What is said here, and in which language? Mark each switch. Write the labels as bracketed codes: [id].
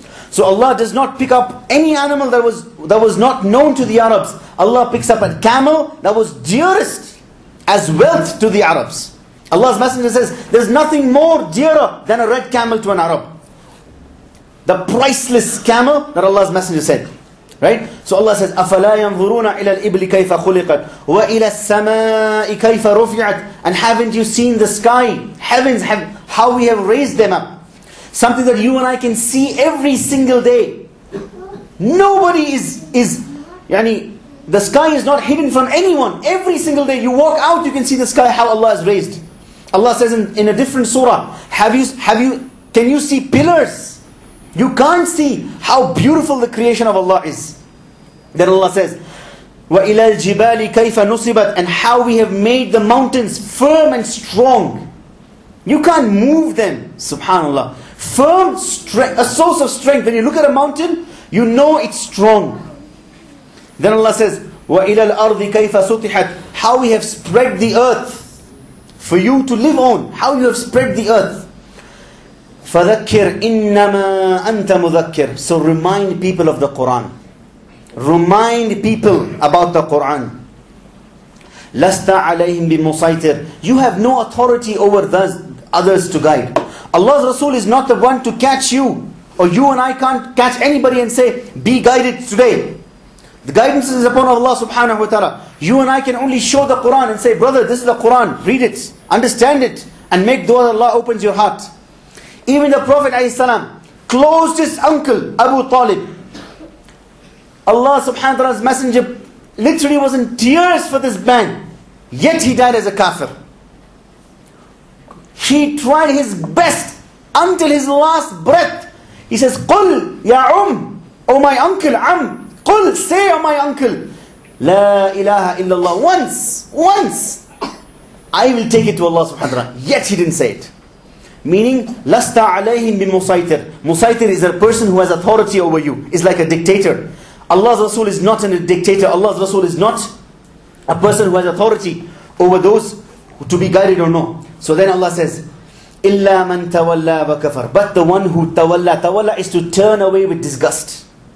[en] So Allah does not pick up any animal that was not known to the Arabs. Allah picks up a camel that was dearest as wealth to the Arabs. Allah's Messenger says, there's nothing more dearer than a red camel to an Arab. The priceless camel that Allah's Messenger said. Right? So Allah says, [ar] أَفَلَا يَنْظُرُونَ إِلَى الْإِبْلِ كَيْفَ خُلِقَتْ وَإِلَى السَّمَاءِ كَيْفَ رُفِعَتْ. [en] And haven't you seen the sky? Heavens, how we have raised them up. Something that you and I can see every single day. Nobody is yani, the sky is not hidden from anyone. Every single day you walk out, you can see the sky, how Allah has raised. Allah says in a different surah, can you see pillars? You can't see how beautiful the creation of Allah is. Then Allah says, [ar] وَإِلَى الْجِبَالِ كَيْفَ نُصِبَتْ. [en] And how we have made the mountains firm and strong. You can't move them, SubhanAllah. Firm strength, a source of strength. When you look at a mountain, you know it's strong. Then Allah says, [ar] وَإِلَى الْأَرْضِ كَيْفَ سُطِحَتْ. [en] How we have spread the earth for you to live on. How you have spread the earth. [ar] فَذَكِّرْ إِنَّمَا أَنْتَ مُذَكِّرْ. [en] So remind people of the Qur'an. Remind people about the Qur'an. [ar] لَسْتَ عَلَيْهِمْ بِمُسَيْطِرْ. [en] You have no authority over others to guide. Allah's Rasul is not the one to catch you. Or you and I can't catch anybody and say, be guided today. The guidance is upon Allah subhanahu wa ta'ala. You and I can only show the Qur'an and say, brother, this is the Qur'an. Read it. Understand it. And make dua that Allah opens your heart. Even the Prophet ﷺ, closest uncle, Abu Talib. Allah subhanahu wa ta'ala's Messenger literally was in tears for this man. Yet he died as a kafir. He tried his best until his last breath. He says, [ar] قُلْ يَا عُمْ. [en] O my uncle, عَمْ. [ar] قُلْ. [en] Say, O my uncle. [ar] لَا إِلَهَ إِلَّا اللَّهُ. [en] Once. I will take it to Allah subhanahu wa ta'ala. Yet he didn't say it. Meaning, [ar] لَسْتَ عَلَيْهِمْ بِمُسَيْطِرْ. [en] Musaitir is a person who has authority over you. It's like a dictator. Allah's Rasul is not a dictator. Allah's Rasul is not a person who has authority over those to be guided or no. So then Allah says, [ar] إِلَّا مَنْ تَوَلَّى وَكَفَرْ. [en] But the one who tawalla, tawalla is to turn away with disgust.